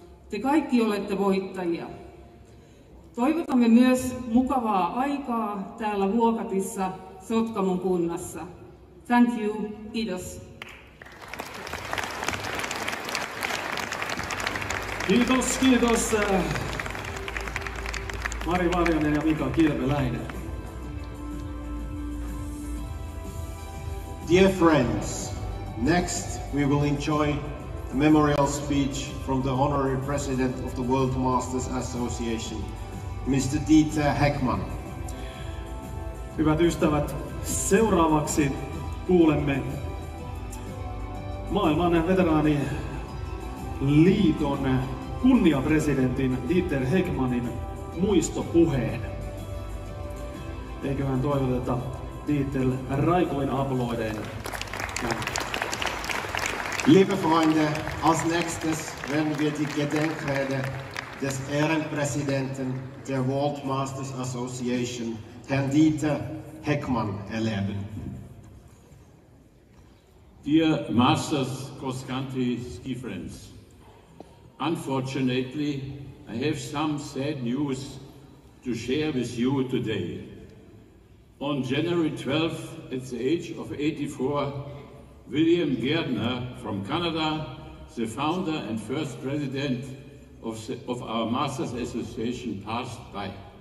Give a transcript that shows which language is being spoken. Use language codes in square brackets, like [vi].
[fi] Te kaikki olette voittajia. Toivotamme myös mukavaa aikaa täällä Vuokatissa Sotkamon kunnassa. [en] Thank you. [fi] Kiitos. Kiitos, kiitos. Mari Varjonen ja Mika Kilpeläinen. [en] Dear friends, next we will enjoy a memorial speech from the honorary president of the World Masters Association, Mr. Dieter Heckmann. [fi] Hyvät ystävät, seuraavaksi kuulemme maailman veteraani liiton kunniapresidentin Dieter Heckmannin muistopuheen. Eiköhän toivoteta Dieter raikoin aplodein. [de] Liebe Freunde, als nächstes werden wir die Gedenkrede des Ehrenpräsidenten der World Masters Association, Herrn Dieter Heckmann, erleben. [en] Dear Masters Cross-Country Ski Friends, unfortunately, I have some sad news to share with you today. On January 12th, at the age of 84, William Gairdner from Canada, the founder and first president of our Masters Association, passed by.